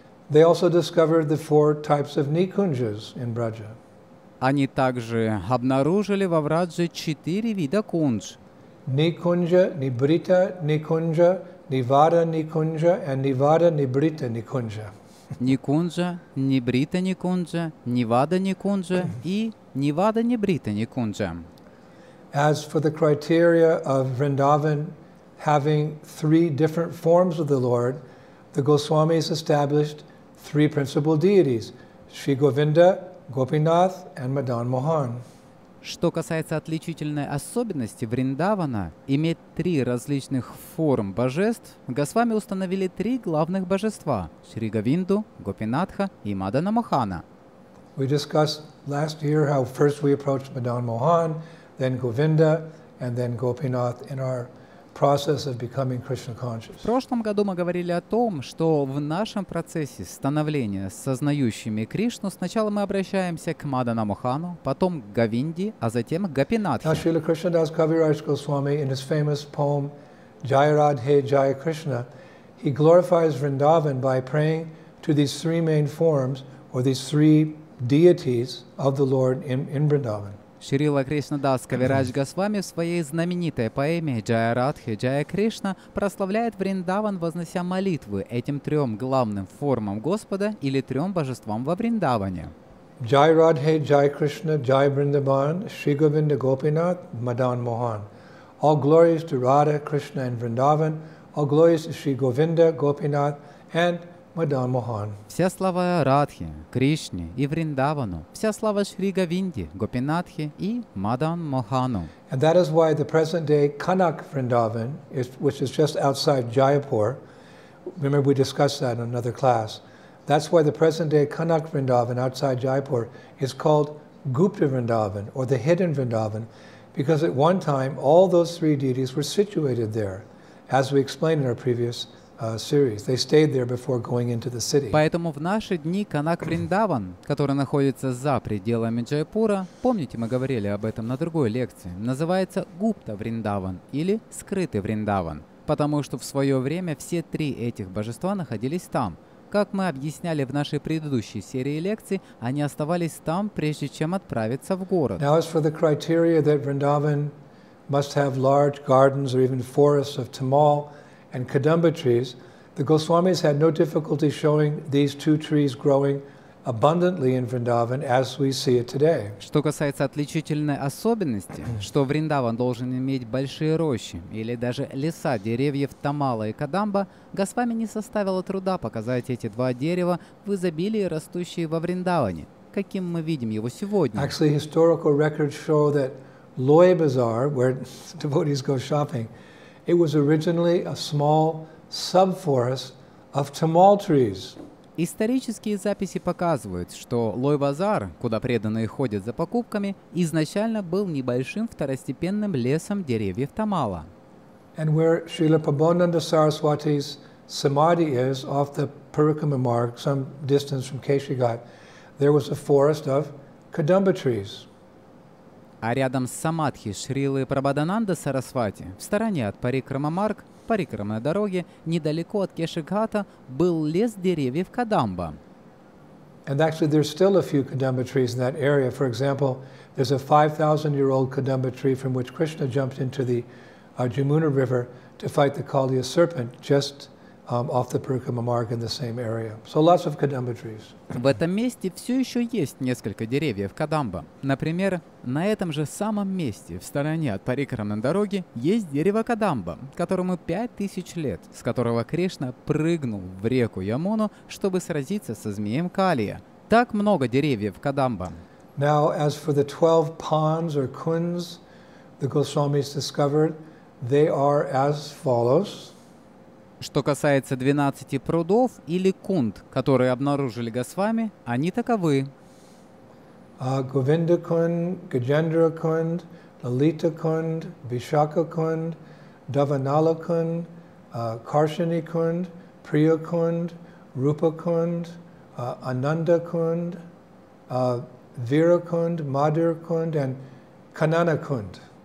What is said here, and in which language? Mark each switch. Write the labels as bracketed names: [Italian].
[English] They also discovered the four types of никунжас in Vraja. [Russian] Они также обнаружили во Врадже 4 вида кунж. Никунжа, нибрита, никунжа, нивада, никунжа, и нивада, нибрита, никунжа. Никунджа, нибрита никунджа, нивада никунджа и нивада нибрита никунджа. [English] As for the criteria of Vrindavan having three different forms of the Lord, the Goswamis established three principal deities: Sri Govinda, Gopinath, and Madan Mohan. [Russian] Что касается отличительной особенности Вриндавана, иметь три различных форм божеств, Госвами установили три главных божества – Шри Говинду, Гопинатха и Мадана Мохана. [English] We discussed last year how first we approached Madan Mohan, then Govinda, and then Gopinath in our process of becoming Krishna conscious. [Russian] В прошлом году мы говорили о том, что в нашем процессе становления сознающими Кришну сначала мы обращаемся к Мадана Мохану, потом к Говинде, а затем к Гопинатхе. [English] Шрила Кришнадас Кавирадж Госвами in his famous poem Jai Radhe Jai Krishna, he glorifies Vrindavan by praying to these three main forms or these three deities of the Lord in Vrindavan. [Russian] Шрила Кришнадас Кавирадж Госвами в своей знаменитой поэме «Джая Радхе, Джая Кришна» прославляет Вриндаван, вознося молитвы этим трем главным формам Господа или трем божествам во Вриндаване. «Джай Радхе, Джай Кришна, Джай Вриндаван, Шри Говинда Гопинат, Мадан Мохан. [English] All glories to Radha, Krishna and Vrindavan. All glories to Шри Говинда, Гопинат and Мадан Мохан. [Russian] Вся слава Радхе, Кришне и Вриндавану. Вся слава Шри Говинде, Гопинатхе и Мадан Мохану. [English] And that is why the present day Kanak Vrindavan, which is just outside Jaipur, remember we discussed that in another class. That's why the present day Kanak Vrindavan outside Jaipur is called Gupta Vrindavan or the hidden Vrindavan, because at one time all those three deities were situated there, as we explained in our previous series. They stayed there before going into the city. [Russian] Поэтому в наши дни Канак Вриндаван, который находится за пределами Джайпура, помните, мы говорили об этом на другой лекции, называется Гупта Вриндаван или Скрытый Вриндаван, потому что в свое время все три этих божества находились там. Как мы объясняли в нашей предыдущей серии лекций, они оставались там, прежде чем отправиться в город. [English] Now as for the criteria that Vrindavan must have large gardens or even forests of tamal and kadamba trees, the Goswamis had no difficulty showing these two trees growing abundantly in Vrindavan as we see it today. [Russian] Что касается отличительной особенности, что Вриндаван должен иметь большие рощи или даже леса деревьев тамала и кадамба, Госвами не составило труда показать эти два дерева в изобилии, растущие во Вриндаване, каким мы видим его сегодня. [English] Actually, historical records show that Loy Bazaar, where devotees go shopping, it was originally a small subforest of tamal trees. [Russian] Исторические записи показывают, что Лой-базар, куда преданные ходят за покупками, изначально был небольшим второстепенным лесом деревьев тамала. [English] And where Srila Prabodhananda Saraswati's samadhi is off the Parikrama Marg, some distance from Keshi Ghat, there was a forest of Kadamba trees. [Russian] А рядом с Самадхи Шрилы Прабхадананда Сарасвати, в стороне от Парикрама-марг, Парикрамной дороги, недалеко от Кешигхата, был лес деревьев Кадамба. [English] And actually there's still a few Kadamba trees in that area. For example, there's a 5,000-year-old Kadamba tree from which Krishna jumped into the Yamuna River to fight the Kaliya serpent just off the Parikrama-marg in the same area. So lots of Kadamba trees. [Russian] В этом месте все еще есть несколько деревьев Кадамба. Например, на этом же самом месте, в стороне от Парикрамной дороги, есть дерево Кадамба, которому 5000 лет, с которого Кришна прыгнул в реку Ямуну, чтобы сразиться со змеем Калия. Так много деревьев Кадамба. [English] Now, as for the 12 ponds or kuns the Goswamis discovered, they are as follows. [Russian] Что касается 12 прудов или кунд, которые обнаружили Госвами, они таковы. Говинда кунд, Гаджендра кунд, Лалита кунд, Вишака кунд, Даванала кунд, Каршани кунд, Прия кунд, Рупа кунд, Ананда кунд, Вира кунд, Мадир кунд и Канана кунд.